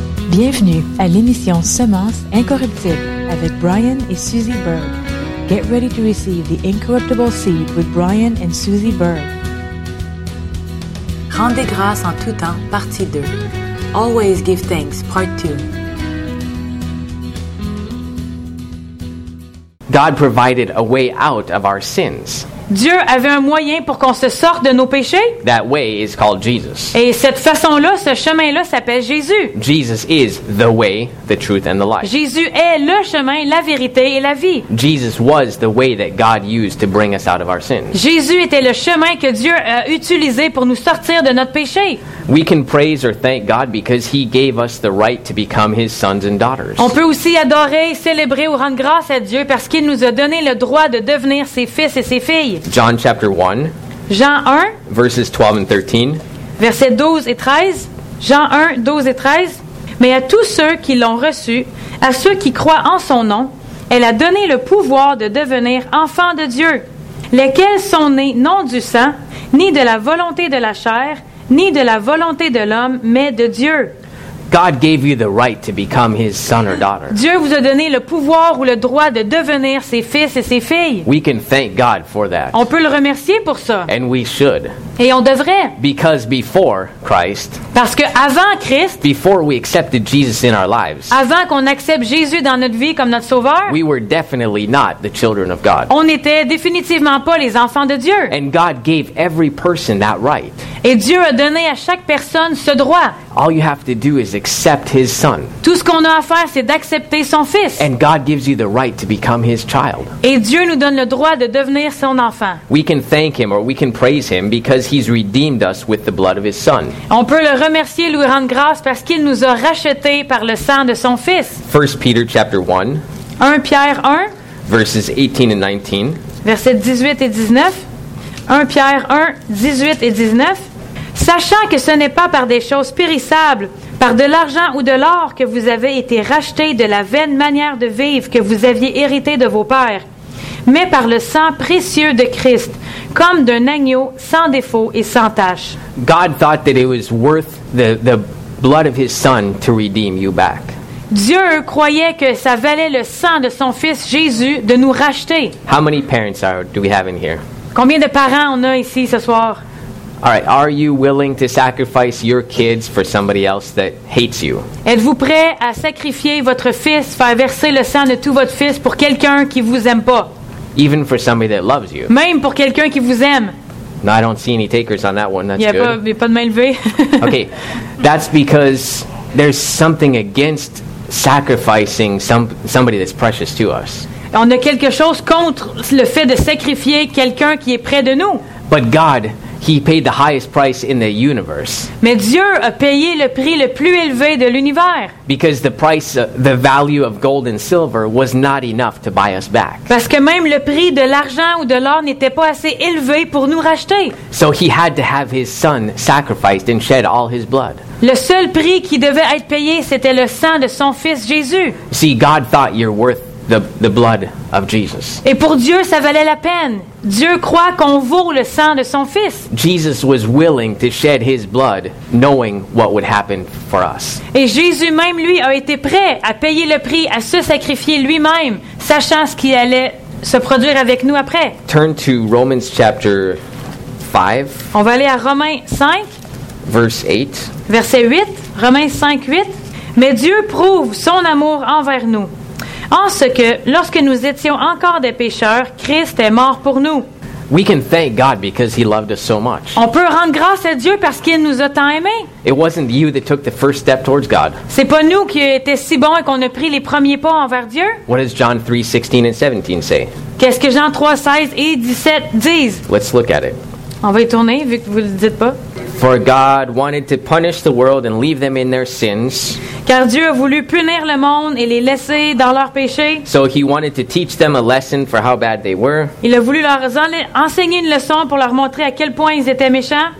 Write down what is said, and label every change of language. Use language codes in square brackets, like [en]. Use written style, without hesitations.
[fr] Bienvenue à l'émission Semence incorruptible avec Brian et Suzy Berg. [en] Get ready to receive the incorruptible seed with Brian and Suzy Berg. [fr] Rendez grâce en tout temps, partie 2. [en] Always give thanks, part 2. God provided a way out of our sins. [fr] Dieu avait un moyen pour qu'on se sorte de nos péchés. [en] That way is called Jesus. [fr] Et cette façon-là, ce chemin-là s'appelle Jésus. [en] Jesus is the way, the truth and the life. [fr] Jésus est le chemin, la vérité et la vie. [en] Jesus was the way that God used to bring us out of our sins. [fr] Jésus était le chemin que Dieu a utilisé pour nous sortir de notre péché. [en] We can praise or thank God because he gave us the right to become his sons and daughters. [fr] On peut aussi adorer, célébrer ou rendre grâce à Dieu parce qu'il nous a donné le droit de devenir ses fils et ses filles. [en] John chapter 1, [fr] Jean 1, [en] verses 12 and 13. [fr] Versets 12 et 13. Jean 1, 12 et 13. Mais à tous ceux qui l'ont reçu, à ceux qui croient en son nom, elle a donné le pouvoir de devenir enfants de Dieu, lesquels sont nés non du sang, ni de la volonté de la chair, ni de la volonté de l'homme, mais de Dieu. [en] God gave you the right to become his son or daughter. [fr] Dieu vous a donné le pouvoir ou le droit de devenir ses fils et ses filles. [en] We can thank God for that. [fr] On peut le remercier pour ça. [en] And we should. [fr] Et on devrait. [en] Because before Christ, [fr] parce que avant Christ, [en] before we accepted Jesus in our lives, [fr] avant qu'on accepte Jésus dans notre vie comme notre sauveur, [en] we were definitely not the children of God. [fr] On n'était définitivement pas les enfants de Dieu. [en] And God gave every person that right. [fr] Et Dieu a donné à chaque personne ce droit. [en] All you have to do is accept his son. [fr] Tout ce qu'on a à faire, c'est d'accepter son fils. [en] And God gives you the right to become his child. [fr] Et Dieu nous donne le droit de devenir son enfant. [en] We can thank him or we can praise him because he's redeemed us with the blood of his son. [fr] On peut le remercier, lui rendre grâce parce qu'il nous a racheté par le sang de son fils. [en] 1 Peter chapter 1. [fr] 1 Pierre 1. [en] Verses 18 and 19. [fr] Versets 18 et 19. 1 Pierre 1, 18 et 19. Sachant que ce n'est pas par des choses périssables, par de l'argent ou de l'or que vous avez été rachetés de la vaine manière de vivre que vous aviez hérité de vos pères, mais par le sang précieux de Christ, comme d'un agneau sans défaut et sans tache. [en] God thought that it was worth the blood of his son to redeem you back. [fr] Dieu croyait que ça valait le sang de son fils Jésus de nous racheter. [en] How many parents do we have in here? [fr] Combien de parents on a ici ce soir? [en] All right, are you willing to sacrifice your kids for somebody else that hates you? [fr] Êtes-vous prêt à sacrifier votre fils, faire verser le sang de tout votre fils pour quelqu'un qui vous aime pas? [en] Even for somebody that loves you. [fr] Même pour quelqu'un qui vous aime. [en] No, I don't see any takers on that one. That's good. [fr] Il y a pas de main levée. [en] Okay, that's because there's something against sacrificing somebody that's precious to us. [fr] On a quelque chose contre le fait de sacrifier quelqu'un qui est près de nous. [en] But God, he paid the highest price in the universe. [fr] Mais Dieu a payé le prix le plus élevé de l'univers. [en] Because the price, the value of gold and silver was not enough to buy us back. [fr] Parce que même le prix de l'argent ou de l'or n'était pas assez élevé pour nous racheter. [en] So he had to have his son sacrificed and shed all his blood. [fr] Le seul prix qui devait être payé, c'était le sang de son fils Jésus. [en] See, God thought you're worth the blood of Jesus. [fr] Et pour Dieu, ça valait la peine. Dieu croit qu'on vaut le sang de son fils. [en] Jesus was willing to shed his blood, knowing what would happen for us. [fr] Et Jésus même lui a été prêt à payer le prix, à se sacrifier lui-même, sachant ce qui allait se produire avec nous après. [en] Turn to Romans chapter 5. [fr] On va aller à Romains 5. [en] Verse 8. [fr] Verset 8. Romains 5, 8. Mais Dieu prouve son amour envers nous. En ce que, lorsque nous étions encore des pécheurs, Christ est mort pour nous. [en] We can thank God because he loved us so much. [fr] On peut rendre grâce à Dieu parce qu'il nous a tant aimés. [en] It wasn't you that took the first step towards God. [fr] C'est pas nous qui étions si bons et qu'on a pris les premiers pas envers Dieu. [en] What does John 3, 16 and 17 say? [fr] Qu'est-ce que Jean 3, 16 et 17 disent? [en] Let's look at it. [fr] On va y tourner vu que vous ne le dites pas. [en] For God wanted to punish the world and leave them in their sins. [fr] Car Dieu a voulu punir le monde et les laisser dans leurs péchés. [en] So he wanted to teach them a lesson for how bad they were. [fr] Il a voulu leur enseigner une leçon pour leur montrer à quel point ils étaient méchants.